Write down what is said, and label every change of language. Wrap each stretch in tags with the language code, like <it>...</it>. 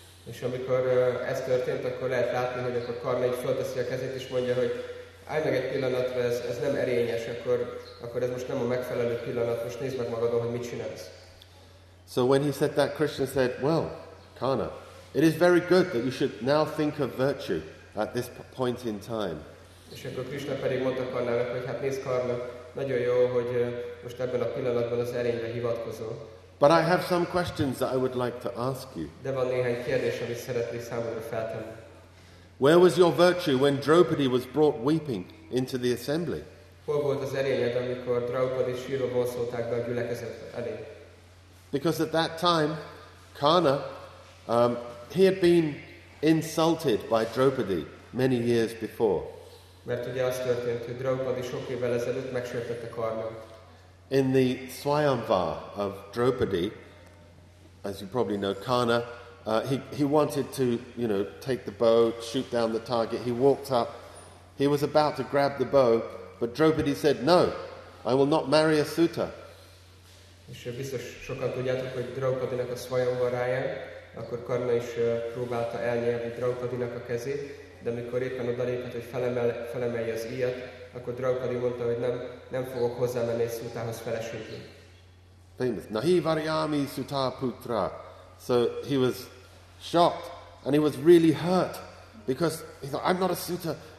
<hu>És amikor ez történt, akkor lehet látni, hogy akkor Kana így fölteszi a kezét, és mondja, hogy állj meg egy pillanatra, ez nem erényes, akkor ez most nem a megfelelő pillanat, most nézd meg magadon, hogy mit csinálsz.</hu> <en>So when he said that, Krishna said, "Well, Kana, it is very good that you should now think of virtue at this point in time."</en> <hu>És akkor Krishna pedig mondta Karnának, hogy hát nézd Karna, nagyon jó, hogy most ebben a pillanatban az erényre hivatkozol.</hu> <en>But I have some questions that I would like to ask you.</en> <hu>De van néhány kérdés, amit szeretnék számodra feltenni.</hu> <en>Where was your virtue when Draupadi was brought weeping into the assembly?</en> <hu>Hol volt az erényed, amikor Draupadi sírva vonszolták be a gyülekezet elé?</hu> <en>Because at that time, Kana, he had been insulted by Draupadi many years before.</en> <hu>Mert ugye az történt, hogy Draupadi sok évvel ezelőtt megsértette Karnát.</hu> <en>In the Swayamvar of Draupadi, as you probably know, Kana, he wanted to, you know, take the bow, shoot down the target. He walked up, he was about to grab the bow, but Draupadi said, "No, I will not marry a suitor."</en> <hu>És biztos sokan tudjátok, hogy Draupadinak a Swayamvaráján, akkor Karna is próbálta elnyelni Draupadinak a kezét, de amikor éppen odalépett, hogy felemelje az íjat, akkor Draupadi mondta, hogy nem fogok hozzámenni egy szutához feleségül.</hu> <en>Famous.</en> <sa>Nahi varyami suta putra.</sa> <en>So he was shocked, and he was really hurt, because he thought, "I'm not a suta."</en>